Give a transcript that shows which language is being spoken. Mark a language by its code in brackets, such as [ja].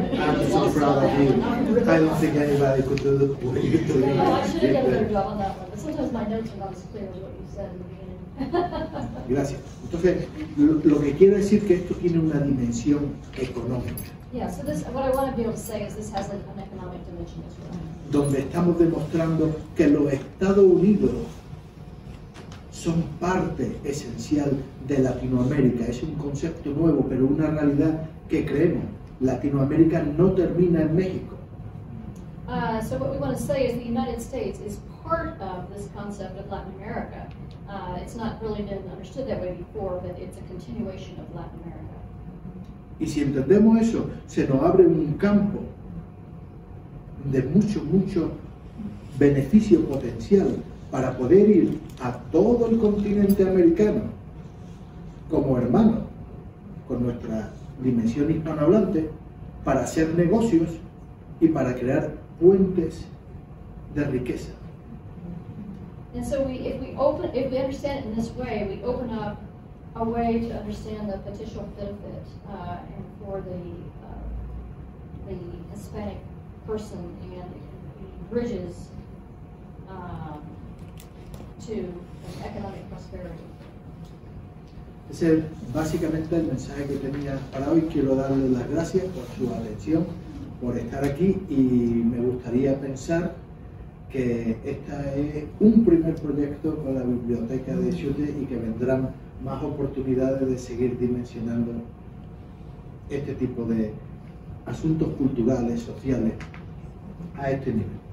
[en] I'm so proud of you. I don't think anybody could do what you're doing. Well, I should have done a better job on that one, but sometimes my notes are not as clear as what you said in the beginning. [es] Gracias. Entonces, lo que quiero decir que esto tiene una dimensión económica. [en] Yeah, so this, what I want to be able to say is this has an economic dimension as well. [es] Donde estamos demostrando que los Estados Unidos son parte esencial de Latinoamérica. Es un concepto nuevo, pero una realidad que creemos. Latinoamérica no termina en México. [en] So what we want to say is the United States is part of this concept of Latin America. It's not really been understood that way before, but it's a continuation of Latin America. [es] Y si entendemos eso, se nos abre un campo de mucho, mucho beneficio potencial para poder ir a todo el continente americano como hermano con nuestra dimensión hispanohablante para hacer negocios y para crear puentes de riqueza. [en] And so if we understand it in this way, we open up a way to understand the potential benefit and for the Hispanic person and bridges to economic prosperity. [es] Ese es básicamente el mensaje que tenía para hoy. Quiero darle las gracias por su atención, por estar aquí, y me gustaría pensar que este es un primer proyecto con la biblioteca de Chute y que vendrán más oportunidades de seguir dimensionando este tipo de asuntos culturales, sociales, a este nivel.